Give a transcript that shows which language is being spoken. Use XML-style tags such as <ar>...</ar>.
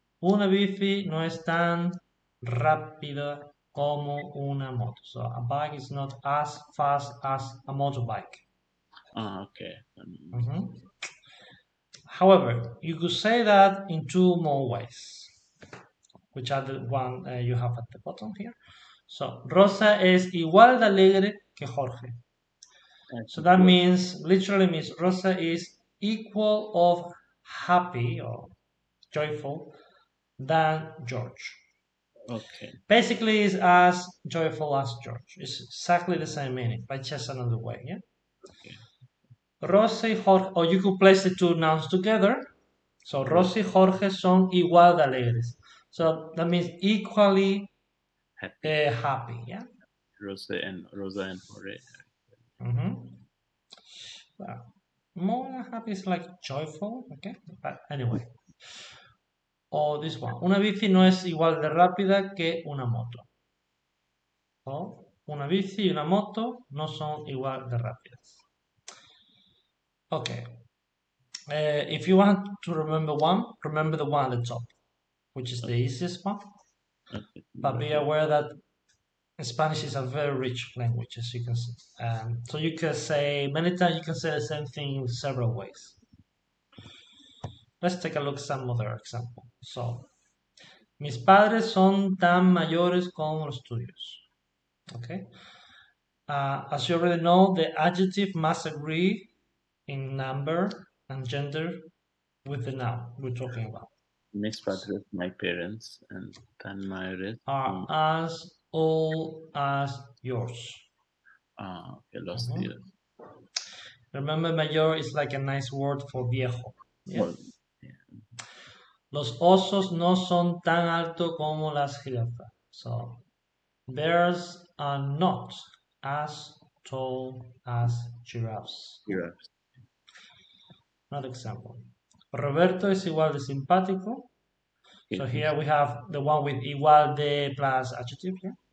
<es>Una bici no es tan rápida como una moto.</es> <en>So a bike is not as fast as a motorbike. Okay. However, you could say that in two more ways, which are the one you have at the bottom here.</en> <es>So, Rosa es igual de alegre que Jorge.</es> <en>So that means, literally means, Rosa is equal of happy or joyful than George. Okay. Basically, is as joyful as George. It's exactly the same meaning, but just another way, yeah? Rosa y Jorge, or you could place the two nouns together.</en> <es>So, Rosa y Jorge son igual de alegres.</es> <en>So that means equally Happy. Happy, yeah. Rosa and Jorge. Well, more happy is like joyful, okay? But anyway. Or this one.</en> <es>Una bici no es igual de rápida que una moto. Oh, una bici y una moto no son igual de rápidas.</es> <en>Okay. If you want to remember one, remember the one at the top, which is the easiest one. But be aware that Spanish is a very rich language, as you can see. So you can say many times you can say the same thing in several ways. Let's take a look at some other example.</en> <es>So, mis padres son tan mayores como los tuyos.</es> <en>Okay. As you already know, the adjective must agree in number and gender with the noun we're talking about. Mis padres, my parents, and then my red. Are as old as yours.</en> <es>Que los tíos.</es> <en>Remember, mayor is like a nice word for viejo. Yeah. Well, yeah.</en> <es>Los osos no son tan alto como las jirafas.</es> <en>So, bears are not as tall as giraffes. Yeah. Another example.</en> <es>Roberto es igual de simpático.</es> <en>So here we have the one with igual de plus adjective, yeah?</en>